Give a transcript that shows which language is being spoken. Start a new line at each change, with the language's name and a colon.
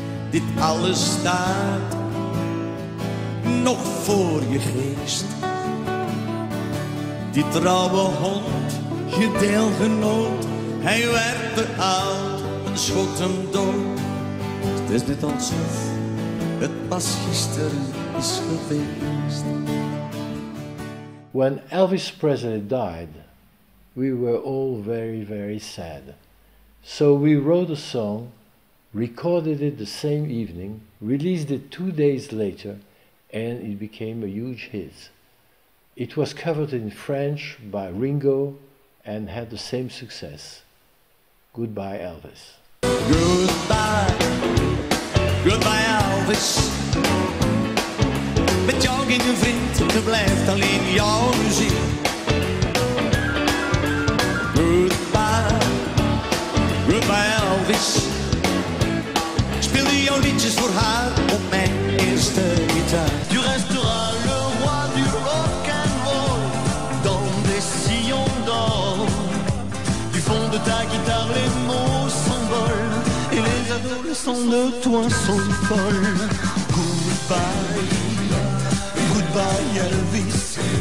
Dutch: Dit alles staat nog voor je geest. Die trouwe hond, je deelgenoot, hij werd te oud, een schot hem dood. Het is net alsof het pas gisteren is geweest.
English: When Elvis Presley died, we were all very, very sad. So we wrote a song, recorded it the same evening, released it 2 days later, and it became a huge hit. It was covered in French by Ringo and had the same success. Goodbye, Elvis. Goodbye, goodbye, Elvis.
Dutch: Met jou geen vriend, je blijft alleen jouw muziek.
English: Goodbye Elvis.
Dutch: Ik speelde jouw liedjes voor haar op mijn eerste gitaar.
French: Tu resteras le roi du rock and roll dans des sillons d'or. Du fond de ta guitare les mots s'envolent et les adolescents de toi sont folles.
English: Goodbye, goodbye Elvis.